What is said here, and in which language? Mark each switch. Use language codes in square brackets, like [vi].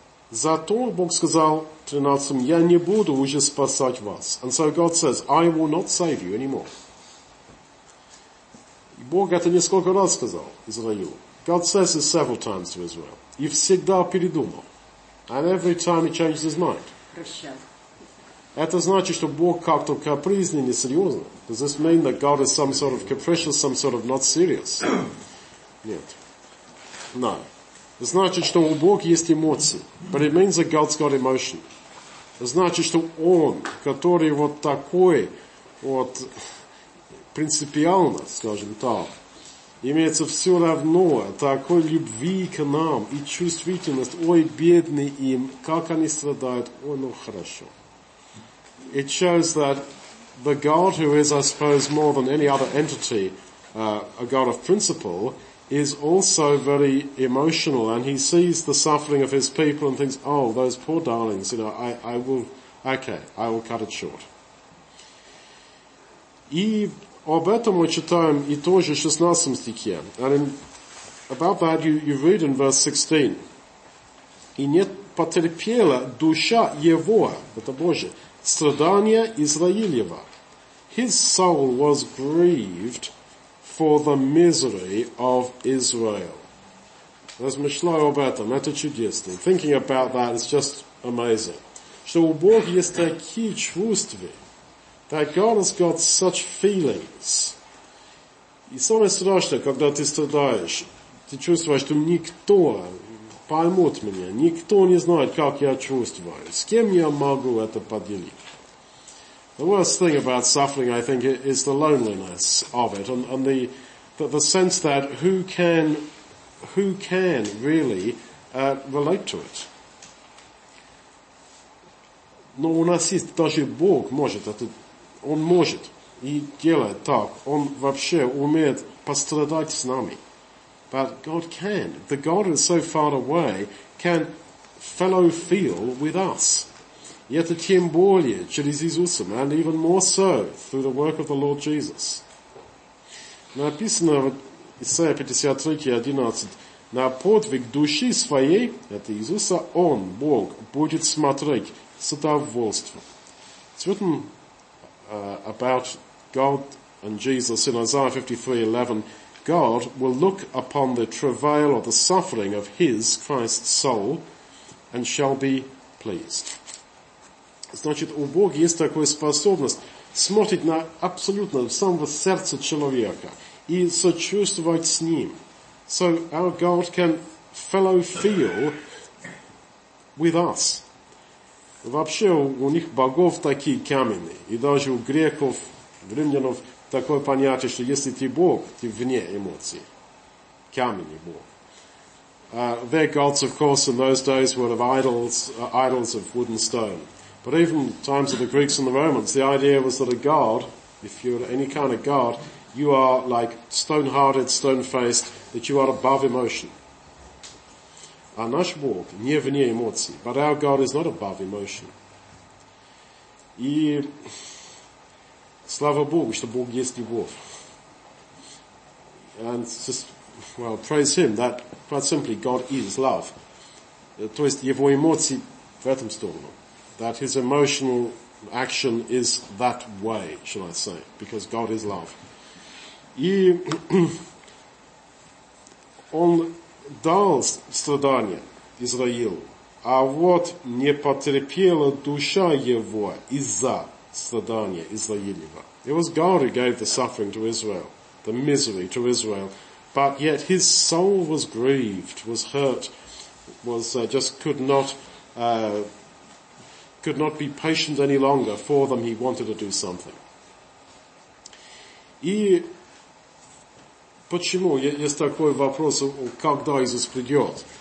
[ru] Зато Бог сказал 13-м, я не буду уже спасать вас. [en] And so God says, I will not save you anymore. [ru] И Бог это несколько раз сказал Израилю. [en] God says this several times to Israel. [ru] И всегда передумал. [en] And every time he changes his mind. [ru] Это значит, что Бог как-то капризный, несерьезный. [en] Does this mean that God is some sort of capricious, some sort of not serious? [ru] Нет. [en] No. [ru] Это значит, что у Бога есть эмоции. [en] But it means that God's got emotion. [ru] Это значит, что Он, который вот такой, вот, принципиально, скажем так, имеется все равно такой любви к нам и чувствительность. Ой, бедный им, как они страдают. Ой, ну хорошо. [en] It shows that the God who is, I suppose, more than any other entity, a God of principle, is also very emotional, and he sees the suffering of his people and thinks, oh, those poor darlings, you know, I will cut it short. [ru] И об этом мы читаем и тоже в 16 стихе. [en] And in, about that you read in verse 16. [ru] И не потерпела душа его, это Божие, страдания Израилева. [en] His soul was grieved for the misery of Israel. [ru] Размышляю об этом, это чудесно. [en] Thinking about that is just amazing. [ru] Что у Бога есть такие чувства, [en] that God has got such feelings. [ru] И самое страшное, когда ты страдаешь, ты чувствуешь, что никто поймет меня, никто не знает, как я чувствую, с кем я могу это поделить. [en] The worst thing about suffering, I think, is the loneliness of it, and the sense that who can really relate to it. [ru] Но у нас есть, даже Бог может это, Он может и делает так. Он вообще умеет пострадать с нами. [en] But God can. The God who is so far away can fellow feel with us. [ru] И это тем более через Иисуса, [en] and even more so through the work of the Lord Jesus. [ru] Написано в Исаия 53:11, на подвиг души своей, это Иисуса, Он, Бог, будет смотреть с удовольствием. [en] It's written about God and Jesus in Isaiah 53:11, God will look upon the travail or the suffering of His, Christ's soul, and shall be pleased. [ru] Значит, у Бога есть такая способность смотреть на абсолютно самого сердца человека и сочувствовать с ним. [en] So our God can fellow feel with us. [ru] Вообще у них богов такие каменные, и даже у греков, римлянов такое понятие, что если ты Бог, ты вне эмоций. Каменный Бог. [en] Their gods, of course, in those days were of idols of wood and stone. But even times of the Greeks and the Romans, the idea was that a god, if you're any kind of god, you are like stone-hearted, stone-faced, that you are above emotion. our [ru] наш Бог не вне эмоций. [en] But our God is not above emotion. [ru] И слава Богу, что Бог есть любовь. [en] And just, well, praise Him that, quite simply, God is love. [ru] То есть его эмоции в этом сторону. [en] That His emotional action is that way, shall I say, because God is love. [ru] И Он дал страдания Израилу, а вот не потерпела душа его из-за страдания Израилева. [en] It was God who gave the suffering to Israel, the misery to Israel, but yet his soul was grieved, was hurt, was just could not be patient any longer for them. He wanted to do something. [ru] И почему есть такой вопрос, когда Иисус придет?